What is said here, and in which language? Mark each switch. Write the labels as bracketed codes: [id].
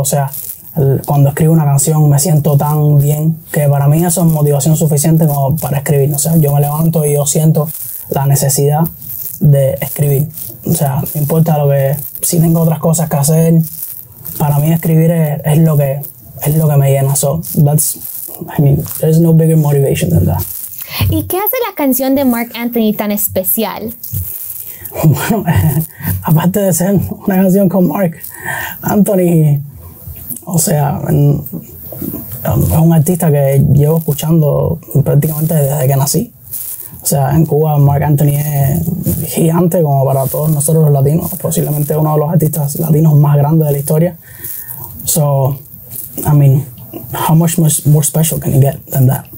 [es] O sea, cuando escribo una canción me siento tan bien que para mí eso es motivación suficiente como para escribir. O sea, yo me levanto y yo siento la necesidad de escribir. O sea, no importa lo que, si tengo otras cosas que hacer, para mí escribir es lo que me llena. [en] So that's, I mean, there's no bigger motivation than that. [es] ¿Y qué hace la canción de Mark Anthony tan especial? Bueno, aparte de ser una canción con Mark Anthony, o sea, es un artista que llevo escuchando prácticamente desde que nací. O sea, en Cuba Mark Anthony es gigante como para todos nosotros los latinos, posiblemente uno de los artistas latinos más grandes de la historia. [en] So, I mean, how much more special can you get than that?